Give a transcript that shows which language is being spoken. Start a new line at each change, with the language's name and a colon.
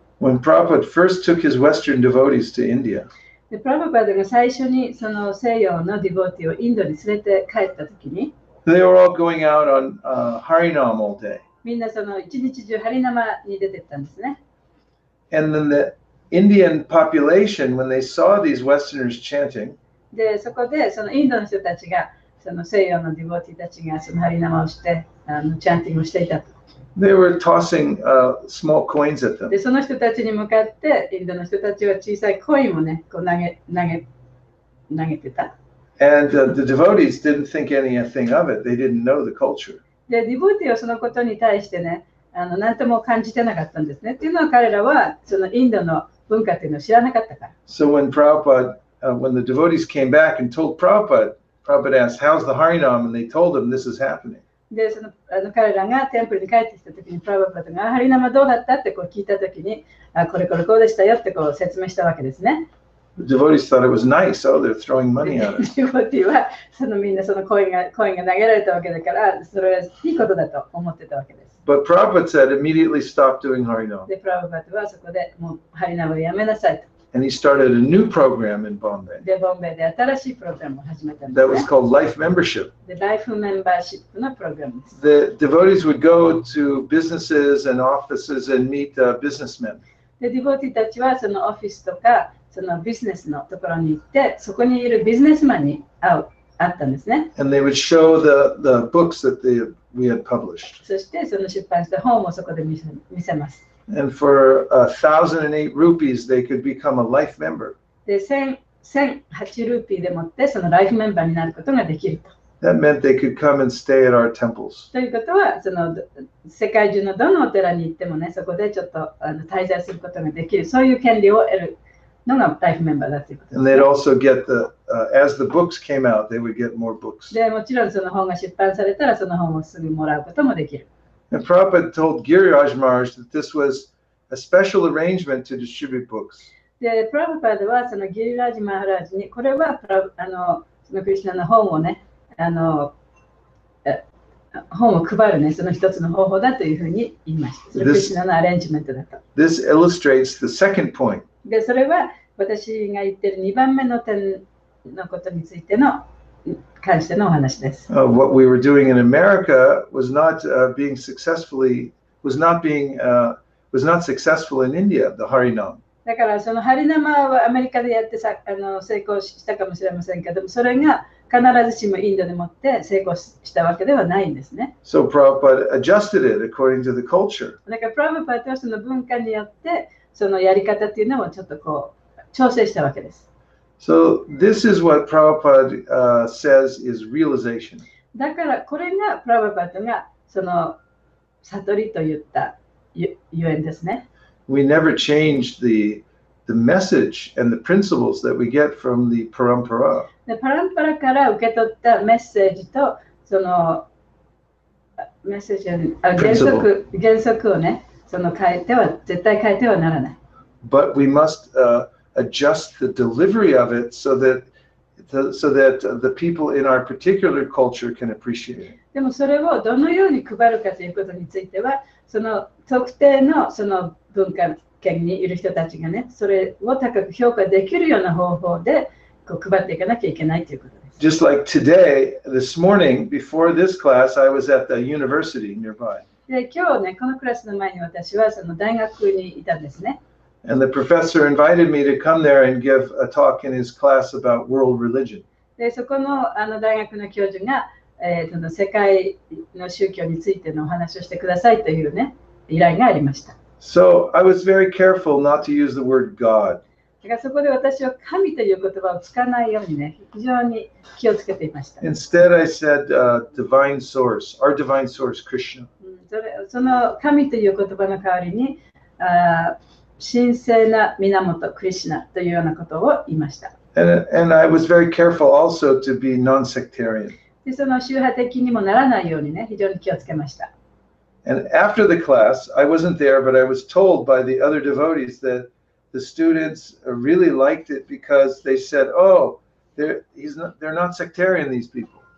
English: When Prabhupada first took his Western devotees to India,
Japanese: で、プラブパダが最初にその西洋のディボーティをインドに連れて帰ったときに、
English: they were all going out on Harinam all day.
Japanese: みんなその一日中ハリナマに出てったんですね。
English: And then the Indian population, when they saw these Westerners chanting,
Japanese: で、そこでそのインドの人たちがその西洋のディボーティたちがそのハリナマをしてチャンティングをしていたと。
English: They were tossing small coins at them.
Japanese: で、その人たちに向かって、インドの人たちは小さいコインをね、こう投げてた。
English: And the devotees didn't think anything of it. They didn't know the culture.
Japanese: で、ディボティはそのことに対してね、なんとも感じてなかったんですね。っていうのは彼らはそのインドの文化っていうのを知らなかったから。
English: So when Prabhupada, when the devotees came back and told Prabhupada, Prabhupada asked, "How's the Harinam?" And they told him, "This is happening."
Japanese: で、その彼らがテンプルに帰ってきたときに、Prabhupada が、ハリナマどうだったってこう聞いたときに、これこれこうでしたよってこう説明したわけですね。
English: The devotees thought it was nice, so they're throwing money at it.
Japanese: ディボティはそのみんなそのコインが投げられたわけだから、それはいいことだと思ってたわけです。
English: But Prabhupada said immediately stop doing Harinam.
Japanese: で、Prabhupada はそこでもうハリナマをやめなさいと。
English: And he started a new program in Bombay.
Japanese: で、ボンベイで新しいプログラムを始めたんですね。
English: That was called Life Membership.
Japanese: で、Life Membership のプログラムです。
English: The devotees would go to businesses and offices and meet businessmen.
Japanese: で、ディボティたちはそのオフィスとか、そのビジネスのところに行って、そこにいるビジネスマンに会ったんですね。
English: And they would show the books that we had published.
Japanese: そしてその出版した本をそこで見せます。
English: And for 1,008 rupees, they could become a life member.
Japanese: で、1,008 rupees でもって、そのライフメンバーになることができると。
English: That meant they could come and stay at our temples.
Japanese: ということは、その世界中のどのお寺に行ってもね、そこでちょっと滞在することができる、そういう権利を得るのがライフメンバーだということです。
English: And they'd also get the, as the books came out, they would get more books.
Japanese: で、もちろんその本が出版されたら、その本をすぐもらうこともできる。
English: And Prabhupada told Giriraj Maharaj that this was a special arrangement to distribute books.
Japanese: で、Prabhupada はそのギリラジ・マハラジにこれはそのクリシナの本をね、本を配るね、その一つの方法だというふうに言いました。そのクリシナのアレンジメントだと。
English: This illustrates the second point.
Japanese: で、それは私が言ってる2番目の点のことについての関してのお話です。
English: What we were doing in America was not being successfully was not being was not successful in India, the Harinam.
Japanese: だからそのハリナマはアメリカでやってさ成功したかもしれませんけども、それが必ずしもインドでもって成功したわけではないんですね。
English: So Prabhupada adjusted it according to the culture.
Japanese: だからプラヴァパッドはその文化によってそのやり方っていうのをちょっとこう調整したわけです。
English: So this is what Prabhupada says is realization.
Japanese: だからこれがプラヴァパッドがその悟りと言ったゆえんですね。
English: We never change the message and the principles that we get from the parampara.
Japanese: で、パランパラから受け取ったメッセージとそのメッセージ原則をね、その変えては絶対変えてはならない。
English: But we must adjust the delivery of it so that the people in our particular culture can appreciate it.
Japanese: でもそれをどのように配るかということについては、その特定のその文化圏にいる人たちがね、それを高く評価できるような方法でこう配っていかなきゃいけないということです。
English: Just like today, this morning, before this class, I was at the university nearby.
Japanese: で、今日ね、このクラスの前に私はその大学にいたんですね。
English: And the professor invited me to come there and give a talk in his class about world religion.
Japanese: で、そこの大学の教授が、その世界の宗教についてのお話をしてくださいというね、依頼がありました。
English: So I was very careful not to use the word God.
Japanese: だからそこで私は神という言葉を使わないようにね、非常に気をつけていました。
English: Instead I said, divine source, our divine source, Krishna.
Japanese: その神という言葉の代わりに、神聖な源クリシナというようなことを言いました。
English: And I was very careful also to be non-sectarian.
Japanese: で、その宗派的にもならないようにね、非常に気をつけました。
English: And after the class, I wasn't there, but I was told by the other devotees that the students really liked it because they said, oh, they're not sectarian, these people.